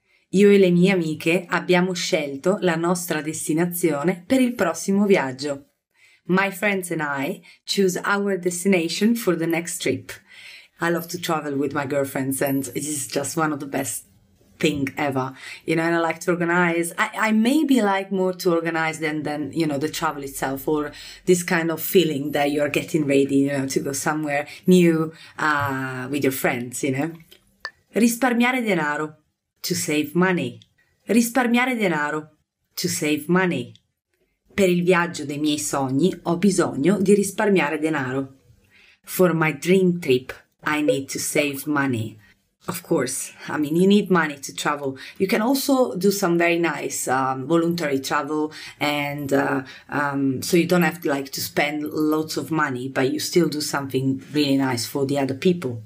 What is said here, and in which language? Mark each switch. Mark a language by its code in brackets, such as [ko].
[it] Io e le mie amiche abbiamo scelto la nostra destinazione per il prossimo viaggio. [en] My friends and I choose our destination for the next trip. I love to travel with my girlfriends and it's just one of the best thing ever. You know, and I like to organize. I maybe like more to organize than you know, the travel itself or this kind of feeling that you're getting ready, you know, to go somewhere new with your friends, you know. [it] Risparmiare denaro. [en] To save money. Risparmiare denaro. To save money. [it] Per il viaggio dei miei sogni ho bisogno di risparmiare denaro. [en] For my dream trip. I need to save money. Of course, I mean, you need money to travel. You can also do some very nice voluntary travel and so you don't have to, like, to spend lots of money, but you still do something really nice for the other people.